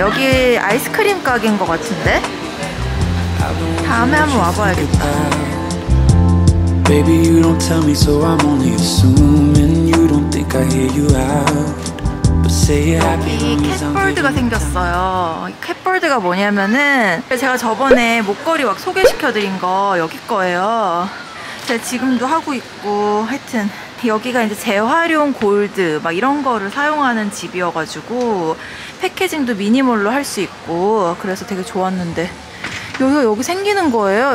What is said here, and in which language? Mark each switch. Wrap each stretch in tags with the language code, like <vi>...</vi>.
<ko>여기 아이스크림 가게인 것 같은데? 다음에 한번 와봐야겠다.</ko> <en>Baby, you don't tell me, so I'm only assuming you don't think I hear you out. But say it happy.</en> <ko>여기 캣버드가 생겼어요. 캣버드가 뭐냐면은 제가 저번에 목걸이 막 소개시켜드린 거 여기 거예요. 제가 지금도 하고 있고, 하여튼 여기가 이제 재활용 골드 막 이런 거를 사용하는 집이어가지고 패키징도 미니멀로 할 수 있고 그래서 되게 좋았는데 여기 생기는 거예요.</ko>